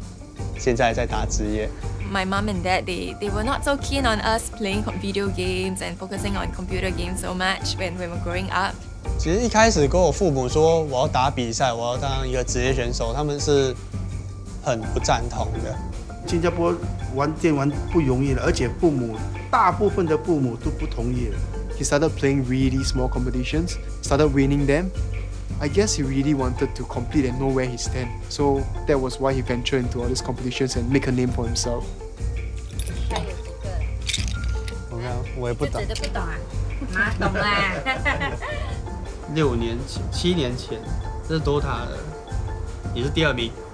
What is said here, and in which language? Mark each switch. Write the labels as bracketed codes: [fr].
[zh] 好像很满足感，很开心的。哦，发现哦，你没有，是啊。所以我觉得，如果之前没有一直这样跑去打网咖，我应该也不会在现在在打职业。 [en] My mom and dad, they were not so keen on us playing video games and focusing on computer games so much when we were growing up. [zh] 其实一开始跟我父母说我要打比赛，我要当一个职业选手，他们是。很不赞同的。新加坡玩电玩不容易了，而且父母大部分的父母都不同意了。 [en] He started playing really small competitions, started winning them. I guess he really wanted to compete and know where he stands. So that was why he ventured into all these competitions and make a name for himself. [zh] 我也不懂。自己都不懂啊？妈懂啦。六年前，七年前，这是 DOTA 的，你是第二名。